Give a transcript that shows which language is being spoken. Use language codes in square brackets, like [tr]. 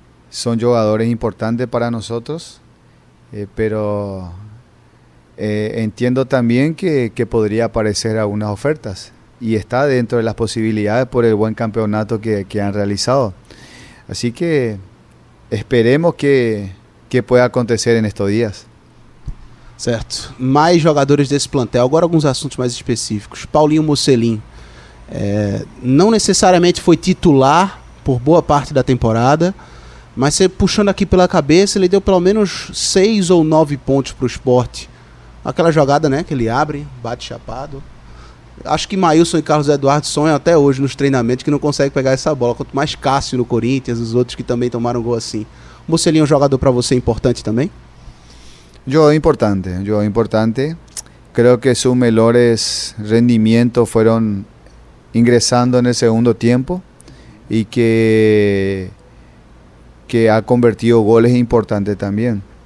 [es] Son jugadores importantes para nosotros, pero entiendo también que podría aparecer algunas ofertas, y está dentro de las posibilidades por el buen campeonato que han realizado. Así que esperemos que pueda acontecer en estos días. [pt] Certo. Mais jogadores desse plantel. Agora alguns assuntos mais específicos. Paulinho Mocelin. Não necessariamente foi titular por boa parte da temporada, mas você puxando aqui pela cabeça, ele deu pelo menos 6 ou 9 pontos para o Sport. Aquela jogada, né, que ele abre, bate chapado. Acho que Maílson e Carlos Eduardo sonham até hoje nos treinamentos que não conseguem pegar essa bola. Quanto mais Cássio no Corinthians, os outros que também tomaram gol assim. Mocelin é um jogador para você importante também? [es] Yo importante. Creo que sus mejores rendimientos fueron ingresando en el segundo tiempo y que ha convertido goles importantes también.